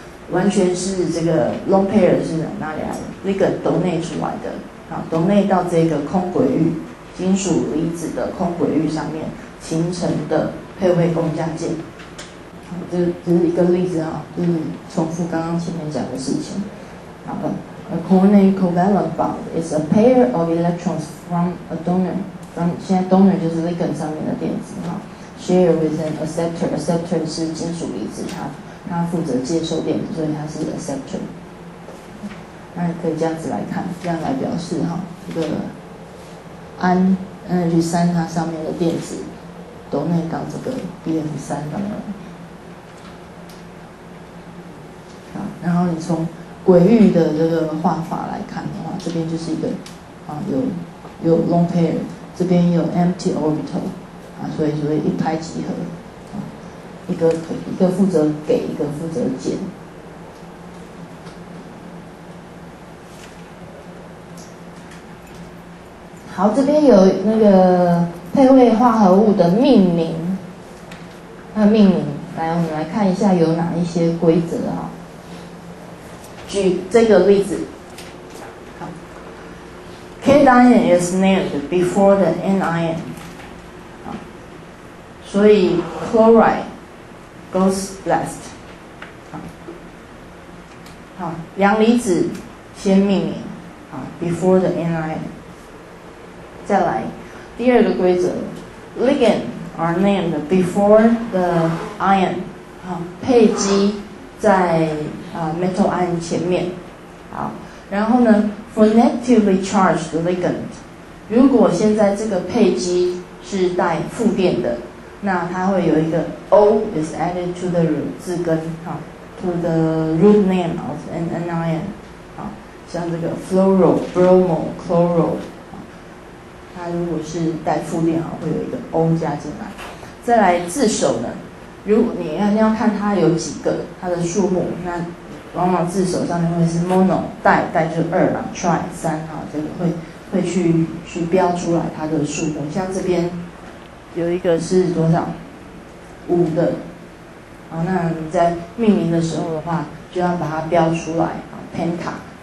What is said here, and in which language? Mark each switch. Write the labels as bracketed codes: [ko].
[zh] 完全是这个 lone pair 是哪里来的？那个 donate 出来的，好 ，donate 到这个空轨域金属离子的空轨域上面形成的配位共价键。好，这是一个例子啊，就是重复刚刚前面讲的事情。好的 ， [en] a coordinate covalent bond is a pair of electrons from a donor， [zh] 现在 donor 就是 ligand 上面的电子哈 ， [en] share with an acceptor， [zh] acceptor 是金属离子它。它负责接受电子，所以它是 acceptor。那可以这样子来看，这样来表示哈，这个氨 NH3 它上面的电子 donate 到这个 BF3 上面。好，然后你从轨域的这个画法来看的话，这边就是一个啊有 lone pair， 这边有 empty orbital， 啊，所以一拍即合。一个负责给，一个负责减。好，这边有那个配位化合物的命名，那命名来，我们来看一下有哪一些规则啊？举这个例子，好 [en] ，cation is named before the anion， [zh] 所以 [en] chloride。 goes last， [zh] 好，阳离子先命名，好 ， [en] before the anion。 [zh] 再来，第二个规则 ， [en] ligand are named before the ion， [zh] 好，配基在metal ion 前面，好，然后呢 ， [en] for negatively charged ligand， [zh] 如果现在这个配基是带负电的。那它会有一个 [en] O is added to the root [zh] 字根，好 ， [en] to the root name of an anion， [zh] 好，像这个 fluoro、bromo、chloro， 它如果是带负电啊，会有一个 O 加进来。再来自首呢，如果你要看它有几个，它的数目，那往往自首上面会是 mono， 带就是二嘛 ，tri 三啊，这个会去标出来它的数目，像这边。有一个是多少？五的，好，那你在命名的时候的话，就要把它标出来啊 ，penta。